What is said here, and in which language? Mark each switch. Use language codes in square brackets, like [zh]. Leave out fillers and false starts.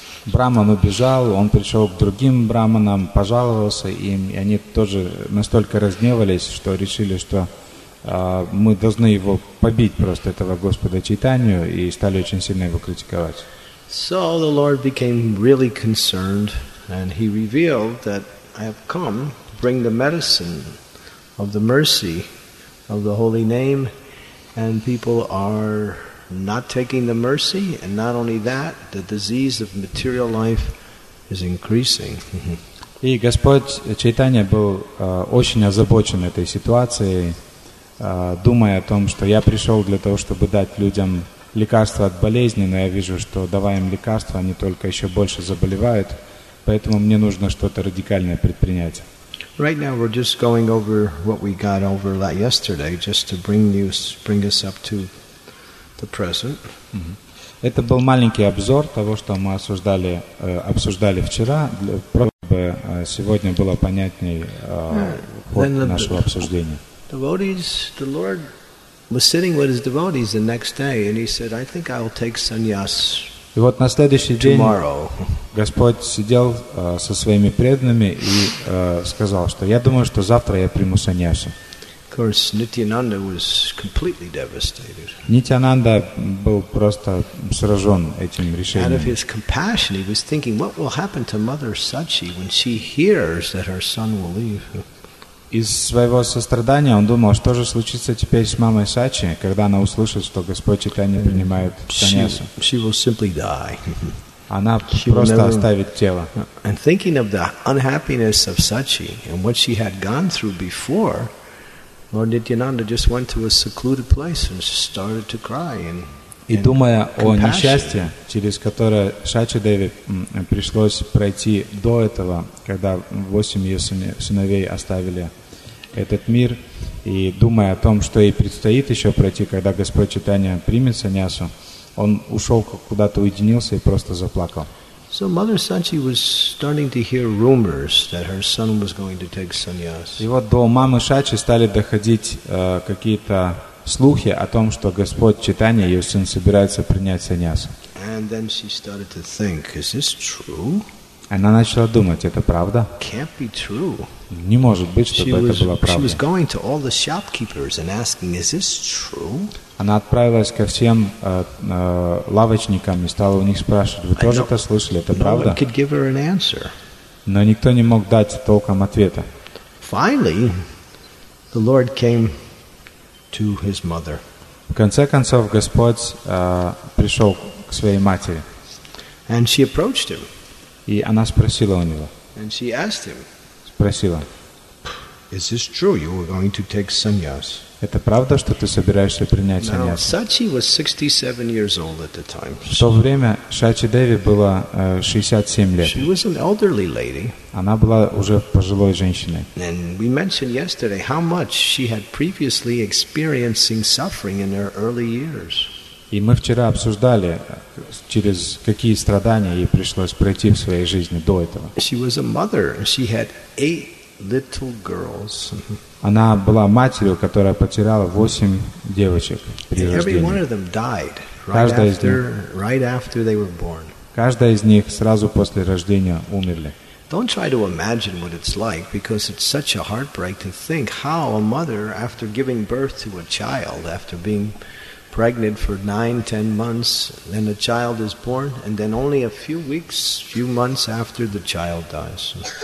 [ru] Брахман убежал, он пришел к другим Брахманам, пожаловался им, и они тоже настолько разгневались, что решили, что мы должны его побить просто, этого Господа Чайтанью, и стали очень сильно его критиковать. [en] So the Lord became really concerned, and he revealed that I have come to bring the medicine of the mercy of the holy name, and people are not taking the mercy, and not only that, the disease of material life is increasing. [ru] И Господь Чайтанья был очень озабочен этой ситуацией, думая о том, что я пришел для того, чтобы дать людям лекарства от болезни, но я вижу, что давая им лекарства, они только еще больше заболевают, поэтому мне нужно что-то радикальное предпринять. [en] Right now we're just going over what we got over yesterday, just to bring us up to the present. [ru] Это был маленький обзор того, что мы обсуждали вчера, чтобы сегодня было понятней ход нашего обсуждения. [en] The Lord was sitting with his devotees the next day, and he said, "I think I'll take sannyas tomorrow." [ru] И вот на следующий день Господь сидел со своими преданными и сказал, что я думаю, что завтра я приму саньясу. [en] Of course, Nityananda was completely devastated. [ru] Нитянанда был просто сражен этим решением. [en] Out of his compassion, he was thinking, "What will happen to Mother Sachi when she hears that her son will leave?" [ru] Из своего сострадания он думал, что же случится теперь с мамой Сачи, когда она услышит, что Господь Чайтанья принимает саньясу. [en] She will simply die. [ru] Она просто оставит тело. [en] And thinking of the unhappiness of Sachi and what she had gone through before, Lord Nityananda just went to a secluded place and started to cry. [ru] И думая о несчастье, через которое Сачи Деви пришлось пройти до этого, когда 8 ее сыновей оставили этот мир, и думая о том, что ей предстоит еще пройти, когда Господь Чайтанья примет саньясу, он ушел куда-то, уединился и просто заплакал. [en] So Mother Sachi was starting to hear rumors that her son was going to take sannyas. [ru] И вот до мамы Шачи стали доходить какие-то слухи о том, что Господь Читания, ее сын, собирается принять саньяс. [en] And then she started to think, is this true? [ru] Она начала думать, это правда? [en] Can't be true. [ru] Не может быть, чтобы это было правдой. [en] She was going to all the shopkeepers and asking, is this true? [ru] Она отправилась ко всем лавочникам и стала у них спрашивать, вы тоже это слышали, это правда? [en] No one could give her an answer. [ru] Но никто не мог дать толком ответа. [en] Finally, the Lord came to his mother. [ru] В конце концов, Господь пришел к своей матери. [en] And she approached him. [ru] И она спросила у него. [en] And she asked him, [ru] спросила. [en] Is this true? You were going to take sannyas. [ru] Это правда, что ты собираешься принять саньяс? [en] Now, Sachi was 67 years old at the time. [ru] В то время Шачи Деви было 67 лет. [en] She was an elderly lady. [ru] Она была уже пожилой женщиной. [en] And we mentioned yesterday how much she had previously experiencing suffering in her early years. [ru] И мы вчера обсуждали, через какие страдания ей пришлось пройти в своей жизни до этого. [en] She was a mother. She had 8 little girls. [ru] Она была матерью, которая потеряла 8 девочек при рождении. [en] Every one of them died right after they were born. [ru] Каждая из них сразу после рождения умерли. [en] Don't try to imagine what it's like, because it's such a heartbreak to think how a mother, after giving birth to a child, after being pregnant for 9-10 months, then the child is born, and then only a few months after the child dies.